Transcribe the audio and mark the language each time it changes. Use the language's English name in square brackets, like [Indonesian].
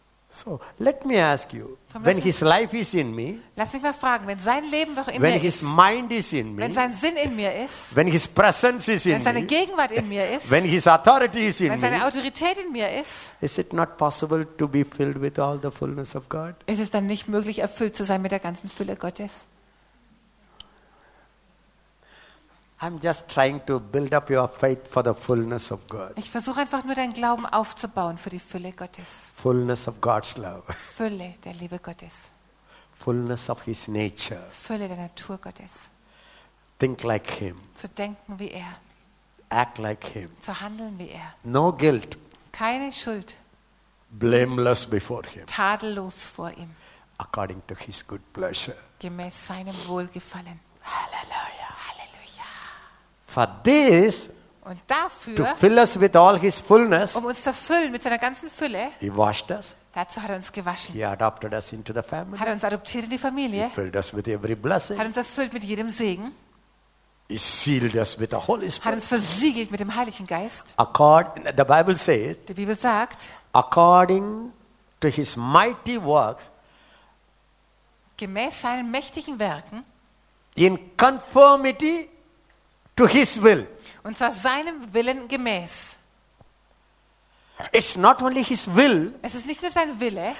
[English] So, let me ask you, when his life is in me, [German] lass mich mal fragen, wenn sein Leben doch in mir ist, [English] when his mind is in me, [German] wenn sein Sinn in mir ist, [English] when his presence is in me, [German] wenn seine Gegenwart in mir ist, [English] when his authority is in me, [German] wenn seine Autorität in mir ist, [English] is it not possible to be filled with all the fullness of God? [German] Ist es dann nicht möglich, erfüllt zu sein mit der ganzen Fülle Gottes? [English] I'm just trying to build up your faith for the fullness of God. [German] Ich versuche einfach nur deinen Glauben aufzubauen für die Fülle Gottes. [English] Fullness of God's love. [German] Fülle der Liebe Gottes. [English] fullness of his nature. [German] Fülle der Natur Gottes. [English] Think like him. [German] Zu denken wie er. [English] Act like him. [German] Zu handeln wie er. [English] No guilt. [German] Keine Schuld. [English] Blameless before him. [German] Tadellos vor ihm. [English] According to his good pleasure. [German] Gemäß seinem Wohlgefallen. [English] Halleluja. [German] Halleluja. [English] For this, [German] und dafür, [English] to fill us with all his fullness, [German] um uns zu füllen mit seiner ganzen Fülle, [English] he washed us. [German] Dazu hat er uns gewaschen. [English] He adopted us into the family. [German] Hat er uns adoptiert in die Familie. [English] He filled us with every blessing. [German] Hat uns erfüllt mit jedem Segen. [English] He sealed us with the Holy Spirit. [German] Hat uns versiegelt mit dem Heiligen Geist. [English] The Bible says, [German] die Bibel sagt, [English] according to his mighty works, [German] gemäß seinen mächtigen Werken, [English] in conformity to his will, [German] und zwar seinem Willen gemäß. [English] It's not only his will. [German] Es ist nicht nur sein Wille.